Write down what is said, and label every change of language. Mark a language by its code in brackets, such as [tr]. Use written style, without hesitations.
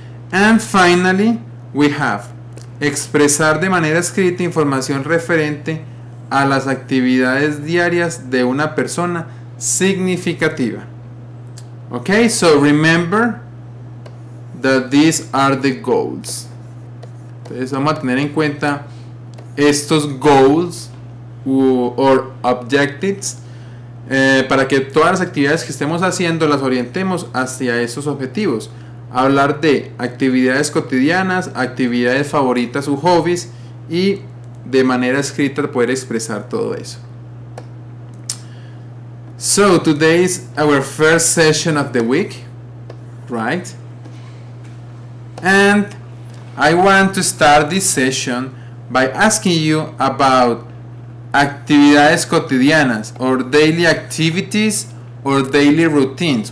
[en] And finally, we have [es] expresar de manera escrita información referente a las actividades diarias de una persona significativa. [en] Okay, so remember that these are the goals. [es] Entonces vamos a tener en cuenta estos [en] goals or objectives. [es] Para que todas las actividades que estemos haciendo las orientemos hacia esos objetivos. Hablar de actividades cotidianas, actividades favoritas o hobbies y de manera escrita poder expresar todo eso. [en] So, today is our first session of the week, right? And I want to start this session by asking you about [es] actividades cotidianas [en] or daily activities or daily routines.